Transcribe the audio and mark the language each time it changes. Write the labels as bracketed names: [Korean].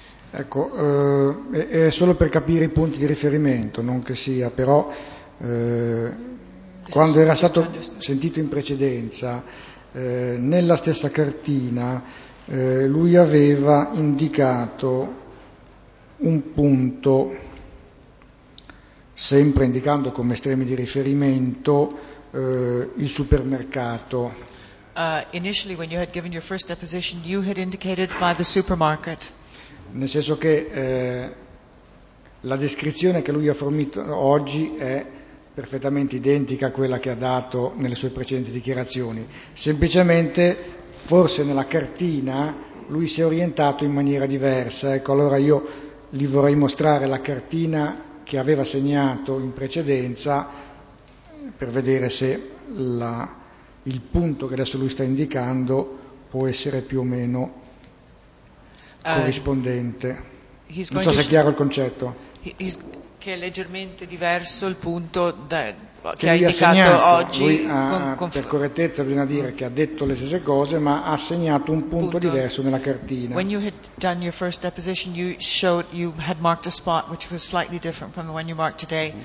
[Italian] Ecco, è solo per capire i punti di riferimento, non che sia, però quando era stato sentito in precedenza, nella stessa cartina lui aveva indicato un punto, sempre indicando come estremi di riferimento il supermercato. [English] Initially, when you had given your first deposition, you had indicated by the supermarket. [Italian] Nel senso che la descrizione che lui ha fornito oggi è perfettamente identica a quella che ha dato nelle sue precedenti dichiarazioni. Semplicemente, forse nella cartina, lui si è orientato in maniera diversa. Ecco, allora io gli vorrei mostrare la cartina che aveva segnato in precedenza per vedere se il punto che adesso lui sta indicando può essere più o meno corrispondente. Non so se è chiaro il concetto. Che è leggermente diverso il punto che ha indicato segnato, oggi lui ha, per correttezza bisogna dire che ha detto le stesse cose ma ha segnato un punto diverso nella cartina. [English] When you had done your first deposition you showed you had marked a spot which was slightly different from the one you marked today.